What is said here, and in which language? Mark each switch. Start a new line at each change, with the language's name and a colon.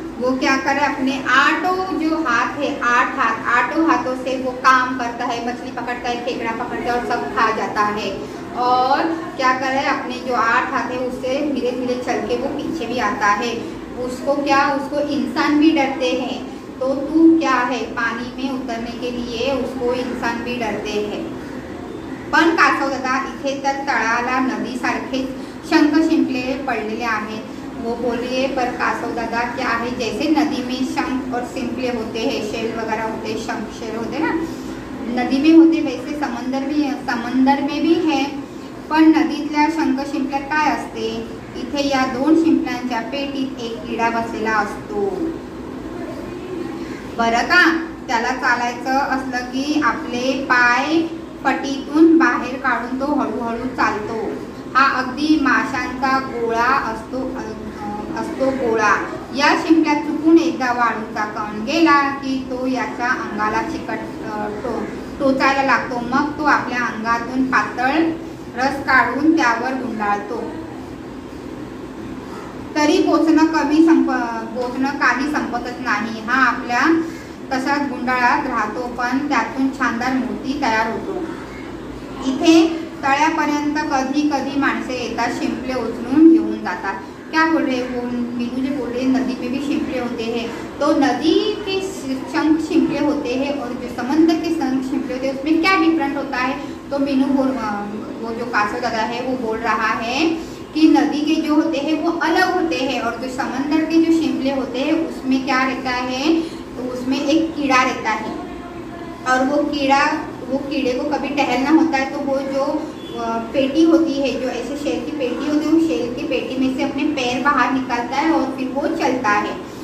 Hindi: वो क्या कर रहा है, अपने आठों जो हाथ है, आठ हाथ, आठों हाथों से वो काम करता है, मछली पकड़ता है, केकड़ा पकड़ता है और सब खा जाता है। और क्या कर रहा है, अपने जो आठ हाथ है उससे धीरे धीरे चल के वो पीछे भी आता है। उसको क्या, उसको इंसान भी डरते हैं। तो तू क्या है, पानी में उतरने के लिए उसको इंसान भी डरते हैं।
Marathi: पण कासव दादा इथे तर तळाला नदी सारखे शंख शिंपले पडलेले आहेत।
Hindi: वो बोलिए पर कासव दादा क्या है, जैसे नदी में शंख और शिंपले होते हैं, शेल वगैरह होते हैं, शंख शेल होते ना नदी में होते, वैसे समंदर में भी है।
Marathi: पण नदीतल्या शंख शिंपल्यात काय असते, इथे या दोन शिंपल्यांच्या पेटीत एक कीडा बसलेला असतो। बर का, त्याला चालायचं असलं की आपले पाय पटीतून बाहेर काढून तो हळूहळू चालतो। हा अगदी माशांचा गोळा असतो गोळा। या शिंपल्यात चुकून एकदा वाळूचा कण गेला की तो याच्या अंगाला चिकटतो, टोचायला लागतो। मग तो आपल्या अंगातून पातळ रस काढून त्यावर गुंडाळतो। तरी पोचणं काही संपतच नाही। हा आपल्या तसाच गुंडाळात राहतो, पण त्यातून छानदार मूर्ती तयार होतो। इथे तळ्यापर्यंत कधी कधी माणसे येतात, शिंपले उचलून घेऊन जातात।
Hindi: क्या बोल रहे वो मीनू जी, बोल रहे नदी में भी शिंपले होते हैं। तो नदी के शंख शिंपले होते हैं और जो समंदर के शंख शिंपले होते हैं उसमें क्या डिफरेंट होता है। तो मीनू बोल, वो जो कासव दादा है वो बोल रहा है कि नदी के जो होते हैं वो अलग होते हैं और जो समंदर के जो शिंपले होते हैं उसमें क्या रहता है, तो उसमें एक कीड़ा रहता है और वो कीड़े को कभी टहलना होता है तो वो जो पेटी होती है, जो ऐसे शेर की पेटी होती है, उस शेर की पेटी में से अपने पैर बाहर निकालता है और फिर वो चलता है।